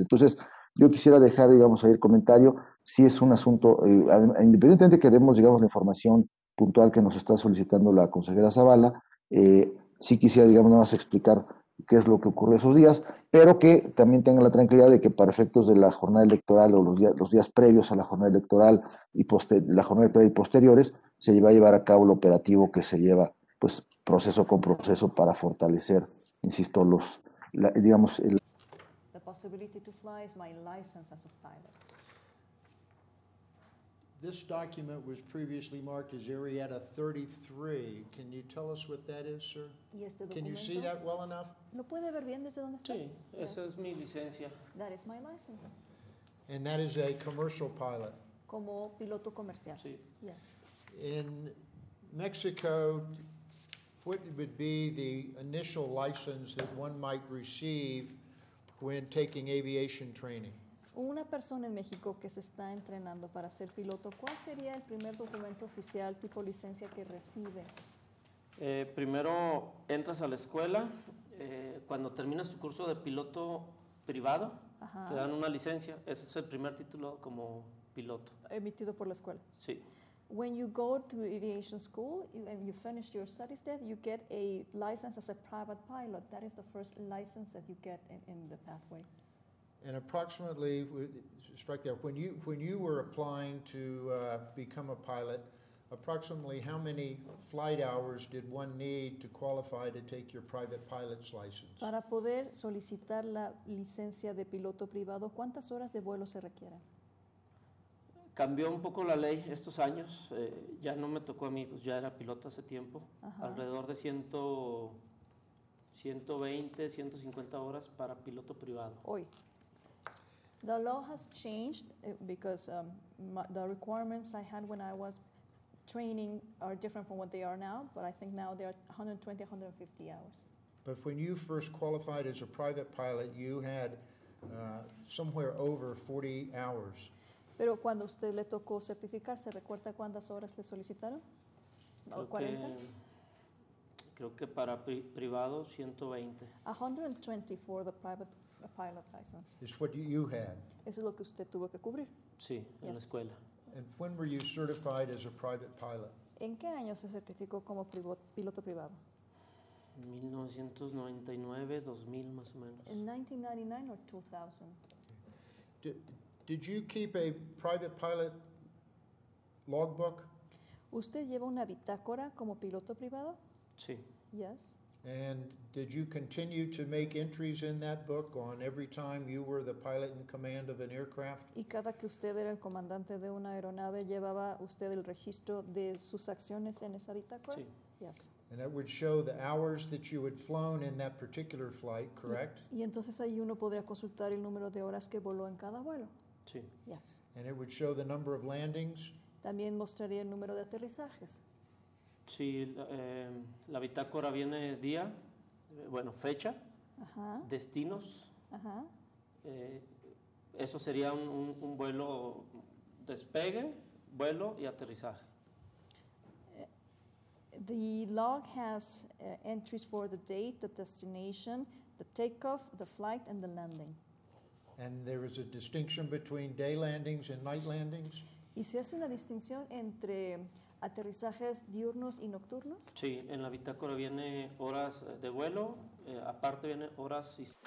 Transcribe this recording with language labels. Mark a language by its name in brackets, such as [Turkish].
[Spanish] Entonces, yo quisiera dejar, ahí el comentario, si es un asunto, independientemente de que demos, la información puntual que nos está solicitando la consejera Zavala, sí quisiera, nada más explicar qué es lo que ocurre esos días, pero que también tengan la tranquilidad de que para efectos de la jornada electoral o los días previos a la jornada electoral y posteriores, se va a llevar a cabo el operativo que se lleva, pues, proceso con proceso para fortalecer, insisto, [English] The possibility to fly is my license as a pilot. This document was previously marked as Arietta 33. Can you tell us what that is, sir? Can you see that well enough? [Spanish] ¿Lo puede ver bien desde dónde está? Sí, esa es mi licencia. [English] That is my license. And that is a commercial pilot. [Spanish] Como piloto comercial. Sí. [English] Yes. In Mexico, what would be the initial license that one might receive when taking aviation training? [Spanish] Una persona en México que se está entrenando para ser piloto, ¿cuál sería el primer documento oficial tipo licencia que recibe? Primero entras a la escuela, cuando terminas tu curso de piloto privado, ajá, te dan una licencia. Ese es el primer título como piloto. Emitido por la escuela. Sí. [English] When you go to aviation school and you finish your studies there, you get a license as a private pilot. That is the first license that you get in the pathway. And approximately, strike that, when you were applying to become a pilot, approximately how many flight hours did one need to qualify to take your private pilot's license? [Spanish] Para poder solicitar la licencia de piloto privado, ¿cuántas horas de vuelo se requieren? Cambió un poco la ley estos años. Ya no me tocó a mí, pues ya era piloto hace tiempo. Ajá. Alrededor de 120, 150 horas para piloto privado. Hoy. [English] The law has changed because the requirements I had when I was training are different from what they are now, but I think now they are 120, 150 hours. But when you first qualified as a private pilot, you had somewhere over 40 hours. [Spanish] Pero cuando usted le tocó certificarse, ¿recuerda cuántas horas le solicitaron? ¿O 40? Creo que para privado 120. [English] 120 for the private pilot. A pilot license. It's what you had. [Spanish] Eso es lo que usted tuvo que cubrir. Sí, en la escuela. [English] And when were you certified as a private pilot? [Spanish] ¿En qué año se certificó como piloto privado? 1999, 2000 más o menos. [English] In 1999 or 2000. Okay. Did you keep a private pilot logbook? [Spanish] ¿Usted lleva una bitácora como piloto privado? Sí. [English] Yes. And did you continue to make entries in that book on every time you were the pilot in command of an aircraft? [Spanish] ¿Y cada que usted era el comandante de una aeronave, llevaba usted el registro de sus acciones en esa bitácora? Sí. [English] Yes. And that would show the hours that you had flown in that particular flight, correct? [Spanish] Y entonces ahí uno podría consultar el número de horas que voló en cada vuelo. Sí. [English] Yes. And it would show the number of landings? [Spanish] También mostraría el número de aterrizajes. Sí, la bitácora viene día, fecha, ajá, destinos. Ajá. Eso sería un vuelo despegue, vuelo y aterrizaje. [English] The log has entries for the date, the destination, the takeoff, the flight, and the landing. And there is a distinction between day landings and night landings? [Spanish] ¿Y se hace una distinción entre aterrizajes diurnos y nocturnos? Sí, en la bitácora viene horas de vuelo, aparte viene horas y...